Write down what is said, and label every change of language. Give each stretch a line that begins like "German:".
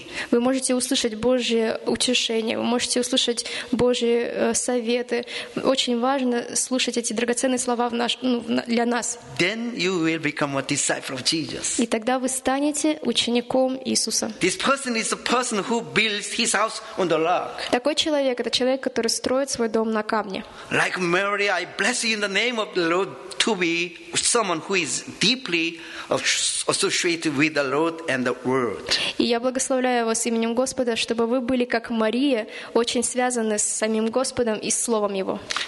Russian: Вы можете услышать Божье утешение, вы можете услышать Божьи советы. Очень важно слушать эти драгоценные слова для нас.
English: Then you will become a disciple of Jesus.
Russian: И тогда вы станете учеником Иисуса.
English: This person is a person who builds his house on the rock.
Russian: Такой человек — это человек, который строит свой дом на камне.
English: Like Mary, I bless you in the name of the Lord to be someone who is deeply associated with the Lord.
Russian: И я благословляю вас именем Господа, чтобы вы были как Мария, очень связаны с самим Господом и Словом Его.